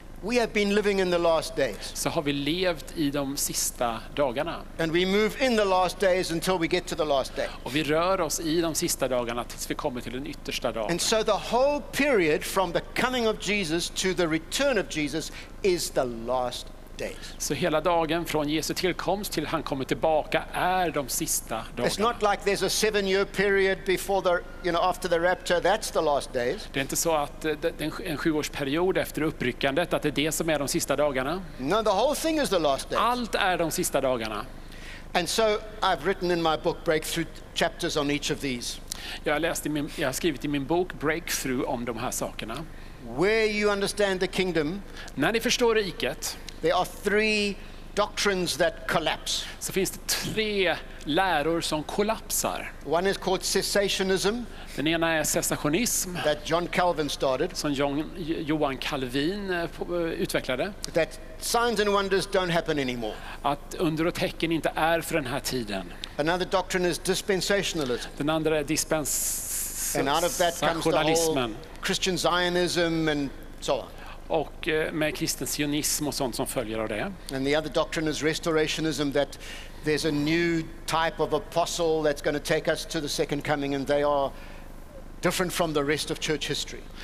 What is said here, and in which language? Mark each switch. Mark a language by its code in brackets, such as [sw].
[en] We have been living in the last days. [sv] Så har vi levt I de sista dagarna. [en] And we move in the last days until we get to the last day. [sv] Och vi rör oss I de sista dagarna tills vi kommer till den yttersta dagen. [en] And so the whole period from the coming of Jesus to the return of Jesus is the last days. [sv] Så hela dagen från Jesu tillkomst till han kommer tillbaka är de sista dagarna. [en] It's not like there's a 7-year period before the, you know, after the rapture, that's the last days. [sv] Det är inte så att det är en 7-årsperiod efter uppryckandet att det är det som är de sista dagarna. [en] No, the whole thing is the last days. [sv] Allt är de sista dagarna. [en] And so I've written in my book Breakthrough chapters on each of these. [sv] Jag har skrivit I min bok Breakthrough om de här sakerna. [en] Where you understand the kingdom. [sv] När ni förstår riket. [en] There are three doctrines that collapse. [sv] Så finns det tre läror som kollapsar. [en] One is called cessationism. [sv] Den ena är cessationism. [en] That John Calvin started. [sv] Som Johan Calvin utvecklade. [en] That signs and wonders don't happen anymore. [sv] Att under och tecken inte är för den här tiden. [en] Another doctrine is dispensationalism. [sv] Den andra är [en] And out of that comes the whole Christian Zionism and so on. [sv] Och med kristen sionism och sånt som följer av det. [en] And the other doctrine is restorationism that there's a new type of apostle that's going to take us to the second coming and they are different from the rest of church history.